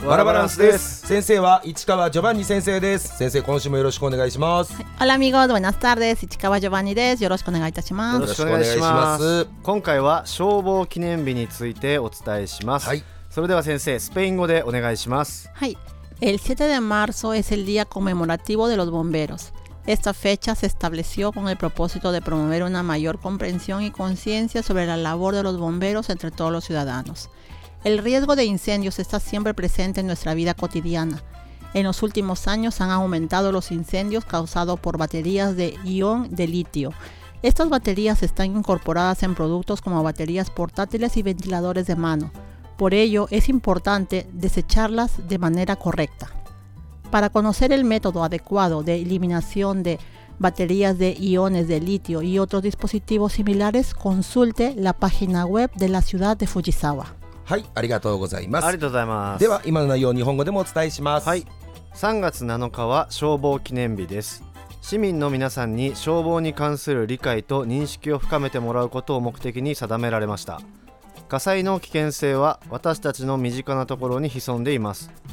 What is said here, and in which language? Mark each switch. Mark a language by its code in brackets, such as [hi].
[ja] ワラバランスです。先生は市川ジョバンニ先生です。先生今週もよろしくお願いします。オラミゴードバナスターです。市川ジョバンニです。よろしくお願いいたします。よろしくお願いします。今回は消防記念日についてお伝えします。はい、それでは先生スペイン語でお願いします。 [es] はい、El 7 de marzo es el día conmemorativo de los bomberos. Esta fecha se estableció con el propósito de promover una mayor comprensión y conciencia sobre la labor de los bomberos entre todos los ciudadanos. El riesgo de incendios está siempre presente en nuestra vida cotidiana. En los últimos años han aumentado los incendios causados por baterías de ion de litio. Estas baterías están incorporadas en productos como baterías portátiles y ventiladores de mano. Por ello, es importante desecharlas de manera correcta. Para conocer el método adecuado de eliminación de baterías de iones de litio y otros dispositivos similares, consulte la página web de la ciudad de Fujisawa. [ja] はい、ありがとうございます。ありがとうございます。では、今の内容を日本語でもお伝えします。はい。 3月7日は消防記念日です。市民の皆さんに消防に関する理解と認識を深めてもらうことを目的に定められました。火災の危険性は私たちの身近なところに潜んでいます。